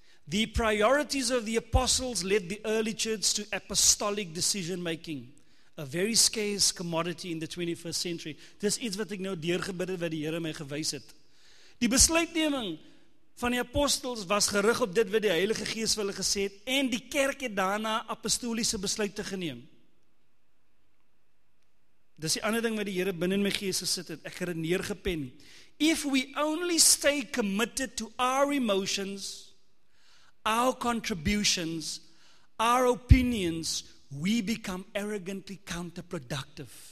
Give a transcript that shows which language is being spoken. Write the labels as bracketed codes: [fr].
[en] The priorities of the apostles led the early church to apostolic decision making, a very scarce commodity in the 21st century. [af] Dis iets wat ek nou deurgebid het, wat die Here my gewys het. Die besluitneming van die apostels was gerig op dit wat die Heilige Gees hulle gesê het, en die kerk het daarna apostoliese besluite geneem. Dis die ander ding wat die Here binne in my gees gesit het, ek het dit neergepen. [en] If we only stay committed to our emotions, our contributions, our opinions, we become arrogantly counterproductive.